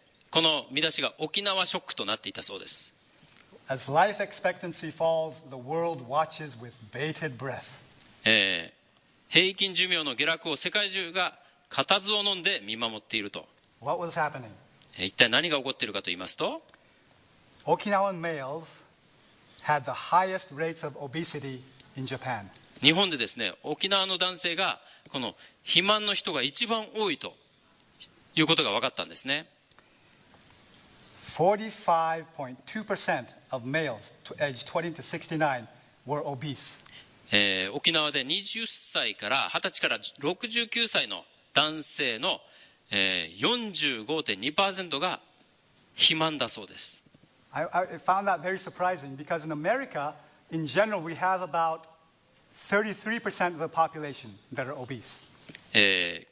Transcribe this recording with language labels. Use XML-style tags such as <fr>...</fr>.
<ja>この見出しが沖縄ショックとなっていたそうです。</ja> <en>As life expectancy falls, the world watches with bated breath.</en> <ja>平均寿命の下落を世界中が固唾を飲んで見守っていると。</ja> <en>What was happening?</en> <ja>一体何が起こっているかと言いますと、</ja> <en>Okinawan males had the highest rates of obesity in Japan.</en> <ja>日本でですね、沖縄の男性がこの肥満の人が一番多いということが分かったんですね。</ja> <en>45.2% of males aged 20 to 69 were obese.</en> <ja>沖縄で20歳から69歳の男性の 45.2% が肥満だそうです。</ja> <en>I found that very surprising because in America, in general, we have about 33% of the population that are obese.</en>